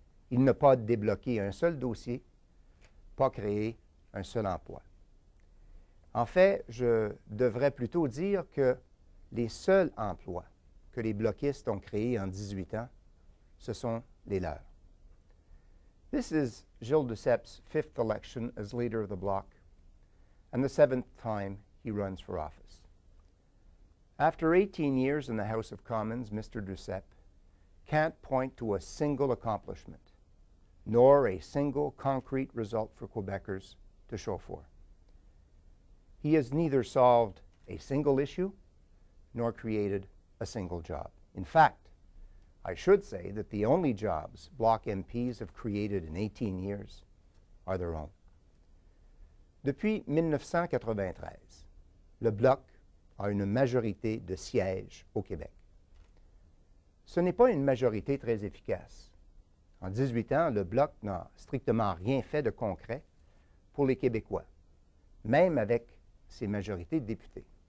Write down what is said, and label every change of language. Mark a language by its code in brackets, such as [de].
[fr] Il n'a pas débloqué un seul dossier, pas créé un seul emploi. En fait, je devrais plutôt dire que les seuls emplois que les bloquistes ont créés en 18 ans, ce sont les leurs. [en] This is Gilles Duceppe's fifth election as leader of the Bloc and the seventh time he runs for office. After 18 years in the House of Commons, Mr. Duceppe can't point to a single accomplishment, nor a single concrete result for Quebecers to show for. He has neither solved a single issue nor created a single job. In fact, I should say that the only jobs Bloc MPs have created in 18 years are their own. [fr] Depuis 1993, le Bloc a une majorité de sièges au Québec. Ce n'est pas une majorité très efficace. En 18 ans, le Bloc n'a strictement rien fait de concret pour les Québécois, même avec ses majorités de députés.